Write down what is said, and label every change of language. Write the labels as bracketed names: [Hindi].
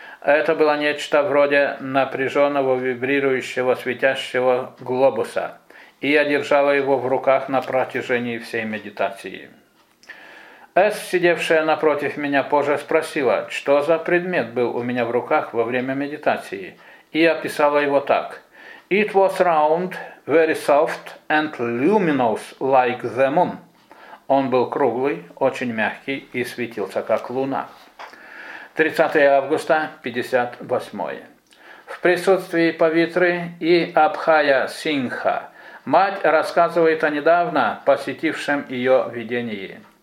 [Russian] Это было нечто вроде напряженного вибрирующего светящего глобуса. И я держала его в руках на протяжении всей медитации. С, сидевшая напротив меня, позже спросила, что за предмет был у меня в руках во время медитации. И описала его так. [English] It was round, very soft and luminous like the moon. [Russian] Он был круглый, очень мягкий и светился как луна. 30 августа, 58. В присутствии Павитры и Абхая Сингха мать рассказывает о недавно посетившем ее видении.